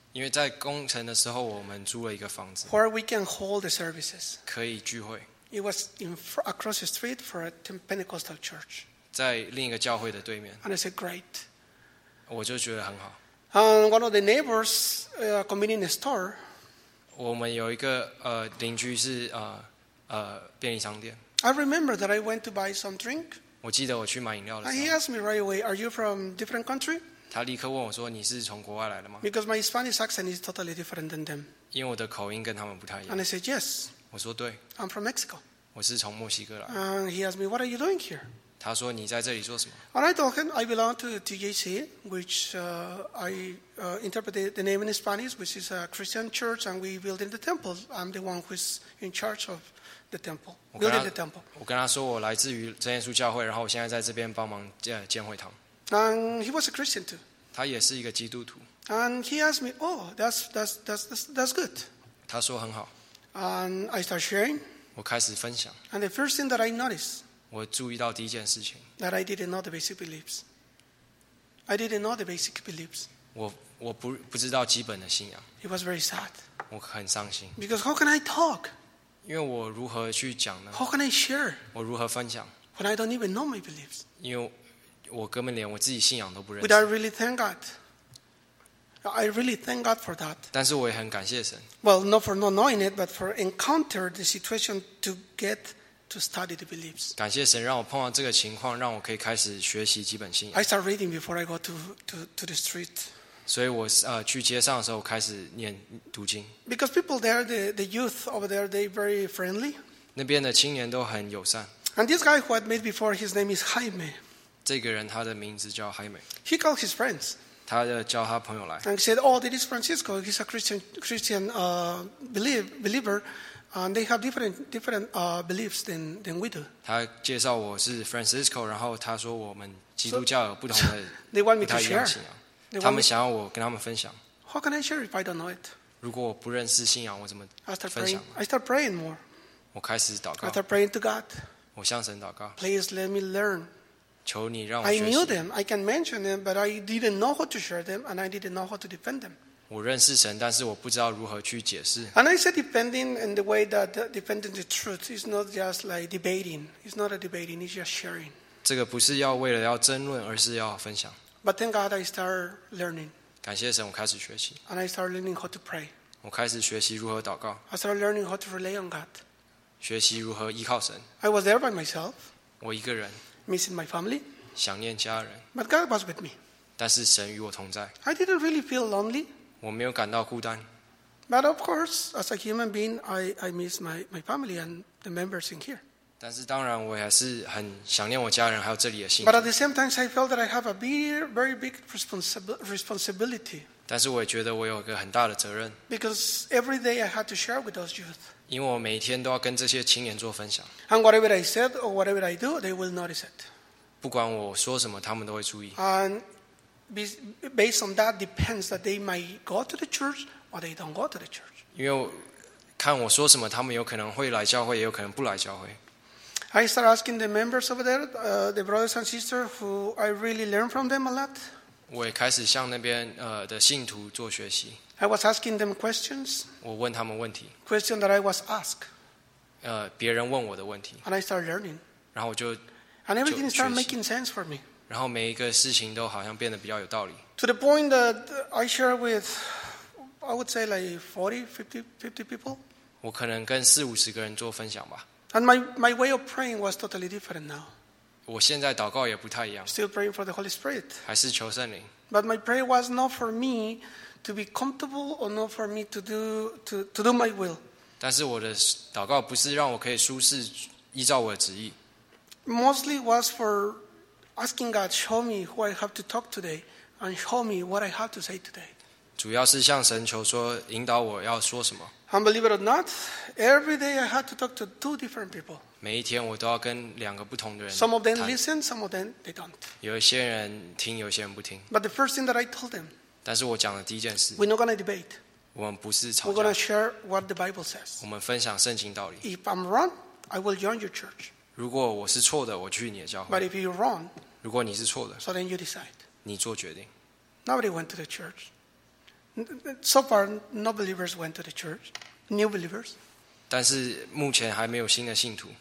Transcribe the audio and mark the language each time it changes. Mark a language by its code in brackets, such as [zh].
[zh] 因为在工程的时候，我们租了一个房子。 [en] Where we can hold the services. [zh] 可以聚会。 [en] It was across the street for a Pentecostal church. [zh] 在另一个教会的对面。 [en] And I said, great. [zh] 我就觉得很好。 [en] And one of the neighbors, convenience store. [zh] 我们有一个邻居是便利商店。 [en] I remember that I went to buy some drink. [zh] 我记得我去买饮料的时候。 [en] And he asked me right away, "Are you from different country?" [zh] 他立刻问我说：“你是从国外来的吗 [en] ？”Because my Spanish accent is totally different than them. [zh] 因为我的口音跟他们不太一样。 [en] And I said yes. [zh] 我说对。 [en] I'm from Mexico. [zh] 我是从墨西哥来。 [en] And he asked me, "What are you doing here?" [zh] 他说你在这里做什么 [en] ？And I told him I belong to TGC, which I interpreted the name in Spanish, which is a Christian church, and we build in the temple. I'm the one who's in charge of the temple, building the temple. [zh] 我跟他说我来自于真耶稣教会，然后我现在在这边帮忙建会堂。 [en] And he was a Christian too. [zh] 他也是一个基督徒。 [en] And he asked me, "Oh, that's good." [zh] 他说很好。 [en] And I start sharing. [zh] 我开始分享。 [en] And the first thing that I noticed. [zh] 我注意到第一件事情。 [en] That I didn't know the basic beliefs. I didn't know the basic beliefs. [zh] 我不知道基本的信仰。 [en] It was very sad. [zh] 我很伤心。 [en] Because how can I talk? [zh] 因为我如何去讲呢 [en] ？How can I share? [zh] 我如何分享 [en] ？When I don't even know my beliefs. [zh] 因为我根本连我自己信仰都不认识。 [en] Would I really thank God? I really thank God for that. [zh] 但是我也很感谢神。 [en] Well, not for not knowing it, but for encounter the situation to get to study the beliefs. [zh] 感谢神让我碰到这个情况，让我可以开始学习基本信仰。 [en] I start reading before I go to the street. [zh] 所以我去街上的时候开始念读经。 [en] Because people there, the youth over there, they very friendly. [zh] 那边的青年都很友善。 [en] And this guy who I met before, his name is Jaime. [zh] 这个人他的名字叫 Jaime. [en] He called his friends. [zh] 他叫他朋友来。 [en] And he said, "Oh, this is Francisco. He's a Christian believer, and they have different beliefs than we do." [zh] 他介绍我是 Francisco， 然后他说我们基督教有不同的 [en] they want me to share. [zh] 不太一样信仰。他们想要我跟他们分享。 [en] How can I share if I don't know it? [zh] 如果我不认识信仰，我怎么分享 [en] I start praying more. [zh] 我开始祷告。 [en] I start praying to God. [zh] 我向神祷告。 [en] Please let me learn. [zh] 求你让我学习。 [en] I knew them. I can mention them, but I didn't know how to share them, and I didn't know how to defend them. [zh] 我认识神，但是我不知道如何去解释。 [en] And I said defending in the way that defending the truth is not just like debating. It's not a debating. It's just sharing. [zh] 这个不是要为了要争论，而是要分享。 [en] But thank God, I start learning. [zh] 感谢神，我开始学习。 [en] And I start learning how to pray. [zh] 我开始学习如何祷告。 [en] I start learning how to rely on God. [zh] 学习如何依靠神。 [en] I was there by myself. [zh] 我一个人。 [en] Missing my family, [zh] 想念家人 [en] but God was with me. [zh] 但是神与我同在 [en] I didn't really feel lonely. [zh] 我没有感到孤单 [en] But of course, as a human being, I miss my family and the members in here. [zh] 但是当然，我还是很想念我家人，还有这里的信徒 [en] But at the same time, I felt that I have a very big responsibility. [zh] 但是我也觉得我有一个很大的责任 [en] Because every day I had to share with those youth. [zh] 因为我每天都要跟这些青年做分享。 [en] And whatever I said or whatever I do, they will notice it. [zh] 不管我说什么，他们都会注意。 [en] And based on that depends that they might go to the church or they don't go to the church. [zh] 因为看我说什么，他们有可能会来教会，也有可能不来教会。 [en] I start asking the members over there, the brothers and sisters who I really learn from them a lot. [zh] 我也开始向那边的信徒做学习。 [en] I was asking them questions. [zh] 我问他们问题。 [en] Question that I was asked. [zh] 别人问我的问题。 [en] And I started learning. [zh] 然后我就。 [en] And everything started making sense for me. [zh] 然后每一个事情都好像变得比较有道理。 [en] To the point that I share with, I would say like 40, 50 people. [zh] 我可能跟四五十个人做分享吧。 [en] And my way of praying was totally different now. [zh] 我现在祷告也不太一样。 [en] Still praying for the Holy Spirit. [zh] 还是求圣灵。 [en] But my prayer was not for me. To be comfortable or not for me to do my will. [zh] 但是我的祷告不是让我可以舒适依照我的旨意。 [en] Mostly was for asking God, show me who I have to talk today, and show me what I have to say today. [zh] 主要是向神求说引导我要说什么。 [en] And believe it or not, every day I had to talk to two different people. [zh] 每一天我都要跟两个不同的人谈。 [en] Some of them listen, some of them they don't. [zh] 有一些人听，有些人不听。 [en] But the first thing that I told them. [zh] 但是我讲的第一件事 [en] ，We're not going to debate. [zh] 我们不是吵架。 [en] We're going to share what the Bible says. [zh] 我们分享圣经道理。 [en] If I'm wrong, I will join your church. [zh] 如果我是错的，我去你的教会。 [en] But if you're wrong, [zh] 如果你是错的 [en] ，So then you decide. [zh] 你做决定。 [en] Nobody went to the church. So far, no believers went to the church. New believers. [zh] 但是目前还没有新的信徒。